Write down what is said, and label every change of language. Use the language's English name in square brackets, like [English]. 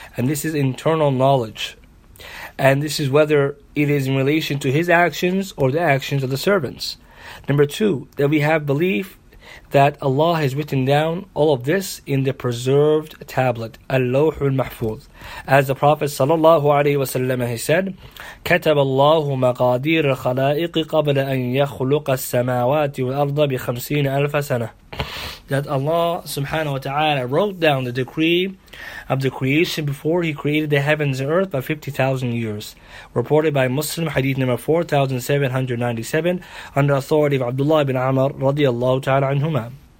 [English] And this is internal knowledge. And this is whether it is in relation to His actions or the actions of the servants. Number 2, that we have belief that Allah has written down all of this in the preserved tablet, Al-Lawhul Mahfuz. As the Prophet sallallahu alaihi wasallam, he said, [Arabic] كَتَبَ اللَّهُ مَقَادِيرَ الْخَلَائِقِ قَبْلَ أَنْ يَخْلُقَ السَّمَاوَاتِ وَالْأَرْضَ بِخَمْسِينَ أَلْفَ سَنَةٍ. [English] That Allah subhanahu wa ta'ala wrote down the decree of the creation before He created the heavens and earth by 50,000 years. Reported by Muslim, hadith number 4797, under authority of Abdullah ibn Amr radiallahu ta'ala anhuma.